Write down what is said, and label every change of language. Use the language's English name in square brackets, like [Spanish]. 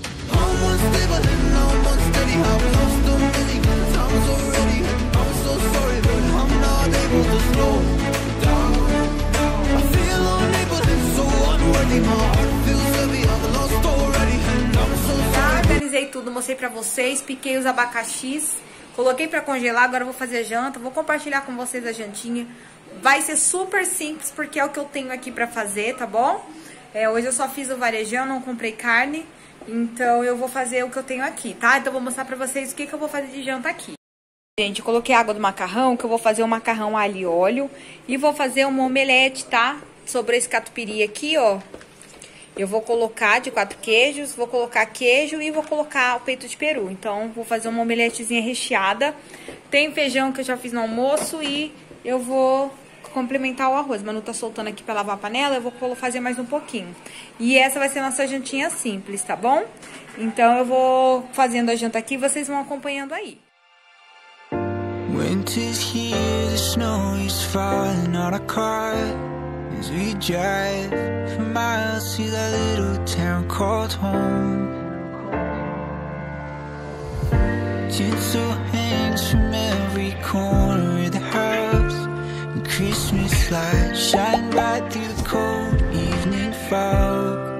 [English] I'm unstable and I'm unsteady. I've lost a million times already. I'm so sorry, but I'm not able to slow down. I feel unable and so unworthy. My heart feels heavy. I've lost already. And I'm so sorry. [Portuguese] Já organizei tudo, mostrei pra vocês. Piquei os abacaxis. Coloquei pra congelar, agora eu vou fazer a janta. Vou compartilhar com vocês a jantinha. Vai ser super simples, porque é o que eu tenho aqui pra fazer, tá bom? É, hoje eu só fiz o varejão, não comprei carne. Então, eu vou fazer o que eu tenho aqui, tá? Então, eu vou mostrar pra vocês o que, que eu vou fazer de janta aqui. Gente, eu coloquei água do macarrão, que eu vou fazer um macarrão alho e óleo. E vou fazer uma omelete, tá? Sobrou esse catupiry aqui, ó. Eu vou colocar de quatro queijos, vou colocar queijo e vou colocar o peito de peru. Então, vou fazer uma omeletezinha recheada. Tem feijão que eu já fiz no almoço e eu vou complementar o arroz. Manu tá soltando aqui pra lavar a panela, eu vou fazer mais um pouquinho. E essa vai ser a nossa jantinha simples, tá bom? Então, eu vou fazendo a janta aqui e vocês vão acompanhando aí. [English] Winter's here, the snow is falling on a car. As we drive for miles to that little town called home, tinsel hangs from every corner of the house, and Christmas lights shine bright through the cold evening fog.